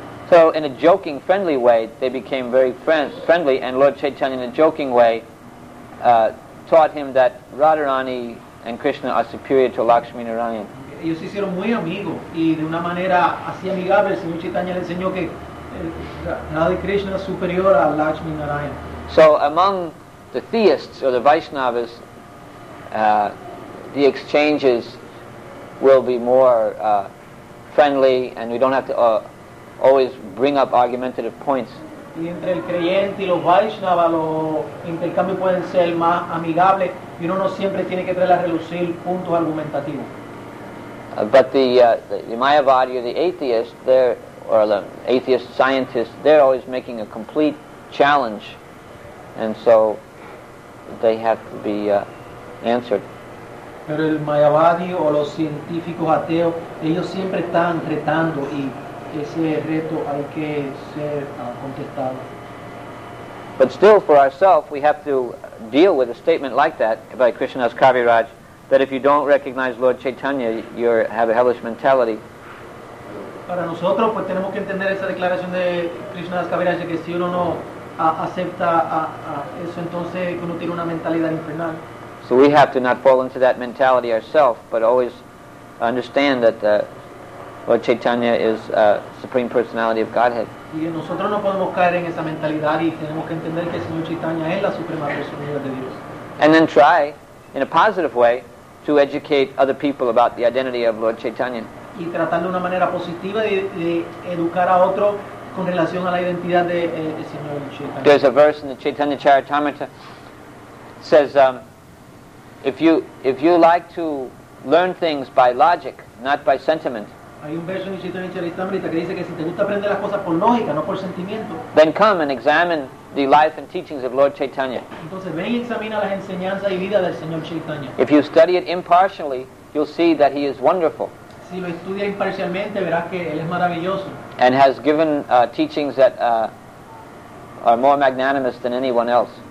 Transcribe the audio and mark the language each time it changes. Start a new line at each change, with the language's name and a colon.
English: So in a joking, friendly way, they became very friendly, and Lord Chaitanya, in a joking way, taught him that Radharani and Krishna are superior to Lakshmi Narayan.
Spanish: Ellos se hicieron muy amigos, y de una manera así amigable, el señor Chaitanya le enseñó que Radha Krishna es superior a Lakshmi Narayan.
English: So among the theists or the Vaishnavas, the exchanges will be more friendly, and we don't have to always bring up argumentative points.
Spanish: Y entre el creyente y los Vaishnavas, los intercambios pueden ser más amigables, y uno no siempre tiene que traer a relucir puntos argumentativos.
English: But the Mayavadi or the atheist, or the atheist scientist, they're always making a complete challenge, and so they have to be answered.
Spanish: Pero el Mayavadi o los científicos ateos, ellos siempre están retando y ese reto hay que ser contestado.
English: But still, for ourselves, we have to deal with a statement like that by Krishnadas Kaviraj, that if you don't recognize Lord Chaitanya, you have a hellish mentality.
Spanish: Para nosotros, pues tenemos que entender esa declaración de Krishnadas Kaviraj, que si uno no acepta eso, entonces uno tiene una mentalidad infernal.
English: So we have to not fall into that mentality ourselves, but always understand that Lord Chaitanya is the Supreme Personality of Godhead.
Spanish: Y nosotros no podemos caer en esa mentalidad y tenemos que entender que el Señor Chaitanya es la Suprema Personalidad de Dios.
English: And then try, in a positive way, to educate other people about the identity of Lord Chaitanya.
Spanish: Y tratar de una manera positiva de educar a otro con relación a la identidad del Señor Chaitanya.
English: There's a verse in the Chaitanya Charitamrita says, If you like to learn things by logic, not by sentiment, then come and examine the life and teachings of Lord Chaitanya.
Spanish: Entonces, ven y examina las enseñanzas y vida del Señor Chaitanya.
English: If you study it impartially, you'll see that he is wonderful.
Spanish: Si lo estudia imparcialmente, verás que él es maravilloso.
English: And has given teachings that are more magnanimous than anyone else.